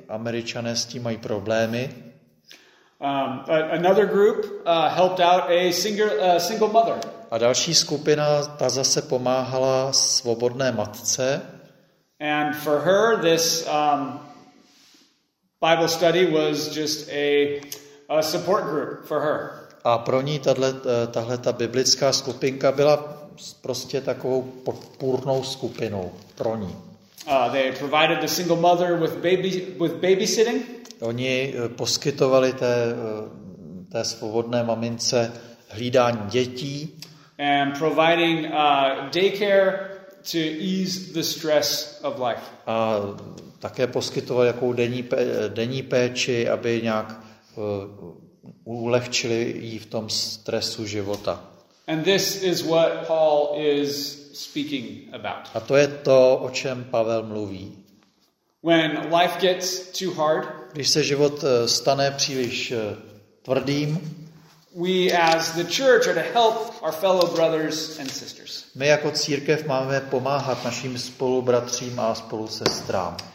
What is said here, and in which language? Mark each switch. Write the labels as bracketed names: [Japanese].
[Czech] Američané s tím mají problémy. [English] Another group helped out a single mother. [Czech] A další skupina, ta zase pomáhala svobodné matce. [English] And for her this Bible study was just a support group for her. [Czech] A pro ní tahle ta biblická skupinka byla prostě takovou podpůrnou skupinou pro ní. [English] They provided the single mother with babysitting. [Czech] Oni poskytovali té svobodné mamince hlídání dětí. [English] And providing daycare to ease the stress of life. [Czech] A také poskytovali jakou denní péči, aby nějak ulehčili jí v tom stresu života. [English] And this is what Paul is speaking about. [Czech] A to je to, o čem Pavel mluví. [English] When life gets too hard, [Czech] když se život stane příliš tvrdým, [English] we as the church are to help our fellow brothers and sisters. [Czech] My jako církev máme pomáhat našim spolubratřím a spolusestrám.